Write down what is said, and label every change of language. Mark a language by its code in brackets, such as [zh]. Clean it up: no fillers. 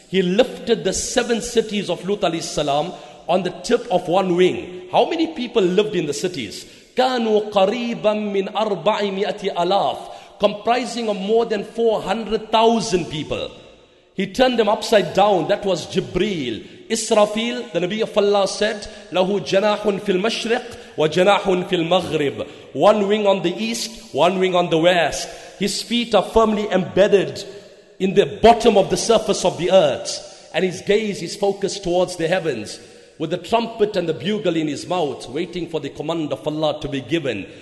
[en] He lifted the seven cities of Lut alayhi salam on the tip of one wing. How many people lived in the cities? [ar] كَانُوا قَرِيبًا مِنْ أَرْبَعِ مِئَةِ أَلَافِ. [en] Comprising of more than 400,000 people. He turned them upside down. That was Jibreel. Israfil, the Nabi of Allah said, [ar] لَهُ جَنَاحٌ فِي الْمَشْرِقِ وَجَنَاحٌ فِي الْمَغْرِبِ. [en] One wing on the east, one wing on the west. His feet are firmly embedded in the bottom of the surface of the earth. And his gaze is focused towards the heavens, with the trumpet and the bugle in his mouth, waiting for the command of Allah to be given.